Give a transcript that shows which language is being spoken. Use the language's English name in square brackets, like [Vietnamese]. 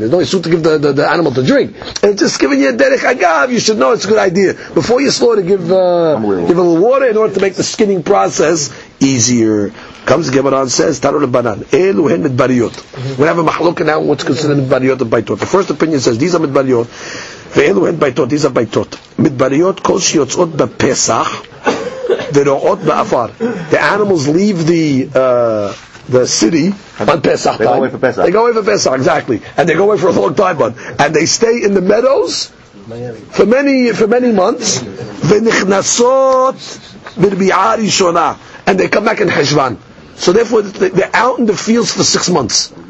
[English] There's no issue to give the animal to drink. And it's just giving you a derech agav, you should know it's a good idea. Before you slaughter, give a little water in order to make the skinning process easier. Comes the Gemara and says, Taru Rabbanan, Elu hen midbariyot. We have a machlok now, what's considered midbariyot and baitot. The first opinion says, these are midbariyot. [Hebrew] ואלו הן ביתות, איזה ביתות, מדבריות כל שיוצאות בפסח ורואות באפר. [English] The animals leave the city on Pesach time. They go away for Pesach. They go away for Pesach, exactly. And they go away for a long time. But, and they stay in the meadows for many months. ונכנסות ברביעה ראשונה. And they come back in Heshvan. So therefore, they're out in the fields for 6 months.